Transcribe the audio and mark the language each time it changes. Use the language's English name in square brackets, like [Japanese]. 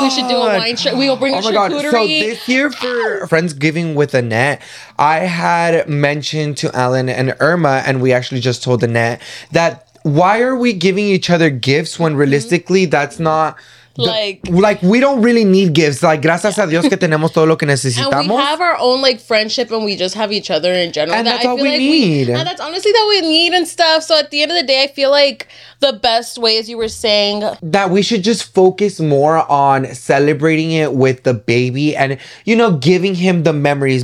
[English] We should do a wine show. We will bring a charcuterie. Oh my God. So this year for Friendsgiving with Annette, I had mentioned to Alan and Irma, and we actually just told Annette that why are we giving each other gifts when realistically that's not. Like, we don't really need gifts. Like, [Spanish] gracias a Dios que tenemos todo lo que necesitamos. [English] And we have our own, like, friendship, and we just have each other in general. And that's all we need. And that's honestly that we need and stuff. So, at the end of the day, I feel like the best way, as you were saying, that we should just focus more on celebrating it with the baby and, you know, giving him the memories.